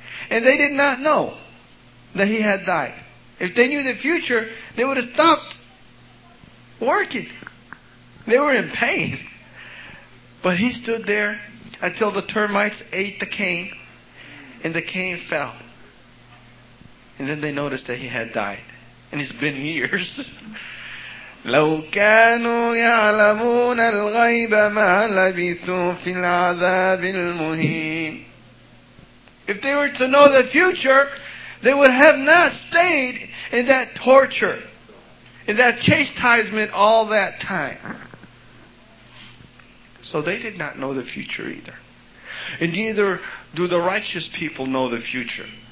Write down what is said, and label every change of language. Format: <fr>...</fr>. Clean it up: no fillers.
<en>And they did not know that he had died. If they knew the future, they would have stopped working. They were in pain. But he stood there until the termites ate the cane and the cane fell. And then they noticed that he had died. And it's been years.</en> <ar>لو كانوا يعلمون الغيب ما لبثوا في العذاب المهين.</ar> <en>If they were to know the future, they would have not stayed in that torture, in that chastisement all that time. So they did not know the future either. And neither do the righteous people know the future.</en>